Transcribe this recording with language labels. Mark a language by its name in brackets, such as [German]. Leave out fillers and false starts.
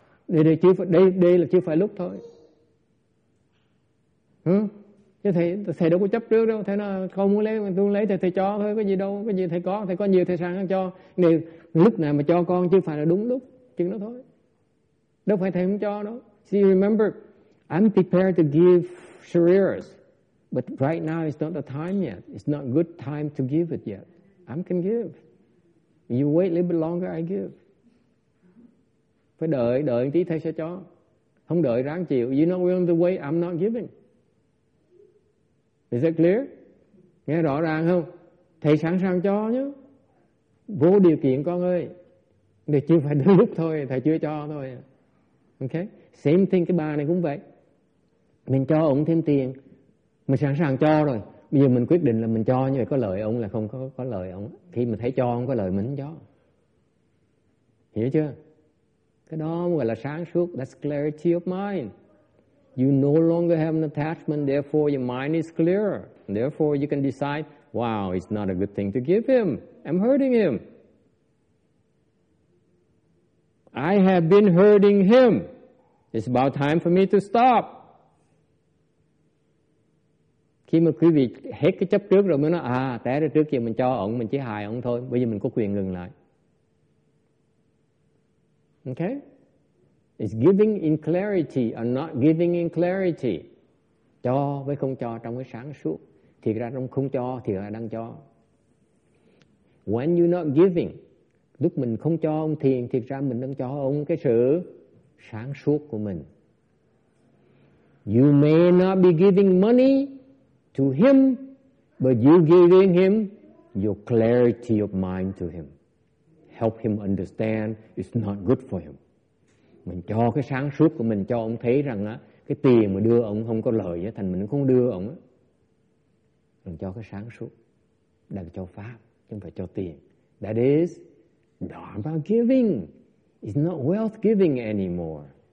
[Vietnamese] Đây là chưa phải lúc thôi. Chứ thầy đâu có chấp trước đâu. Thầy nói con muốn lấy, tôi lấy thầy cho thôi. Có gì đâu, có gì thầy có. Thầy có nhiều thầy sẵn sàng cho. Để lúc nào mà cho con chưa phải là đúng lúc. Chừng đó thôi. Đâu phải thầy không cho đâu. [English] See, remember, I'm prepared to give Sharira's, but right now it's not the time yet. It's not good time to give it yet. I can give. You wait a little bit longer, I give. [Vietnamese] Phải đợi, đợi tí thầy sẽ cho. Không đợi ráng chịu. [English] You're not willing to wait, I'm not giving. Is that clear? [Vietnamese] Nghe rõ ràng không? Thầy sẵn sàng cho nhé. Vô điều kiện con ơi. Để chưa phải đến lúc thôi, thầy chưa cho thôi. [English] Okay, same thing, [Vietnamese] cái bà này cũng vậy. Mình cho ông thêm tiền, mình sẵn sàng cho rồi. Bây giờ mình quyết định là mình cho như vậy có lợi ông là không có lợi ông. Khi mình thấy cho ông có lợi mình không cho. Hiểu chưa? Cái đó gọi là sáng suốt. [English] That's clarity of mind. You no longer have an attachment, therefore your mind is clearer. Therefore you can decide, wow, it's not a good thing to give him. I'm hurting him. I have been hurting him. It's about time for me to stop. [Vietnamese] Khi mà quý vị hết cái chấp trước rồi mới nói, té ra trước kia mình cho ổng, mình chỉ hại ổng thôi. Bây giờ mình có quyền ngừng lại. [English] Okay? It's giving in clarity or not giving in clarity. [Vietnamese] Cho với không cho trong cái sáng suốt. Thì ra trong không cho thì là đang cho. [English] When you're not giving, [Vietnamese] lúc mình không cho ông thiền, thiệt ra mình đang cho ông cái sự sáng suốt của mình. [English] You may not be giving money to him, but you giving him your clarity of mind to him. Help him understand it's not good for him. [Vietnamese] Mình cho cái sáng suốt của mình cho ông thấy rằng á, cái tiền mà đưa ông không có lợi, thành mình không đưa ông á. Mình cho cái sáng suốt, đang cho pháp, chứ không phải cho tiền. [English] That is Dharma giving. It's not wealth giving anymore.